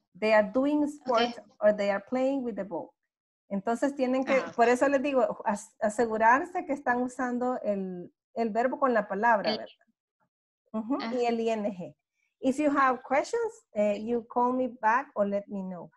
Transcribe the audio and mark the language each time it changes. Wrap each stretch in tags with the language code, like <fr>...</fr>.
<en>They are doing sports or they are playing with the ball.</en> <es>Entonces tienen que, por eso les digo, asegurarse que están usando el verbo con la palabra, ¿verdad? Y el ing.</es> <en>If you have questions, you call me back or let me know.</en>